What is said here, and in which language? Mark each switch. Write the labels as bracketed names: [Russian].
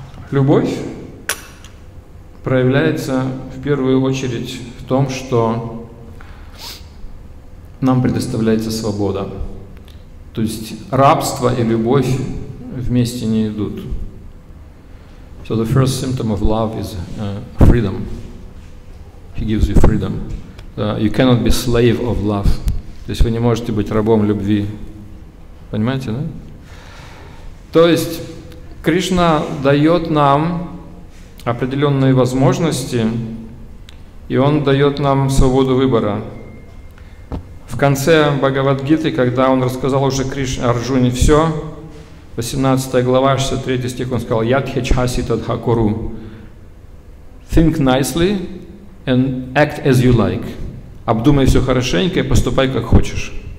[Russian] Любовь проявляется в первую очередь в том, что нам предоставляется свобода. То есть рабство и любовь вместе не идут. [English] So the first symptom of love is freedom. He gives you freedom. You cannot be slave of love. [Russian] То есть вы не можете быть рабом любви. Понимаете, да? То есть Кришна дает нам определенные возможности, и Он дает нам свободу выбора. В конце Бхагавадгиты, когда Он рассказал уже Кришне, Арджуне, все, 18 глава, 63 стих, он сказал: [Sanskrit] «Ядхечхаси тадхакуру» – [English] «Think nicely and act as you like» [Russian] – «Обдумай все хорошенько и поступай, как хочешь».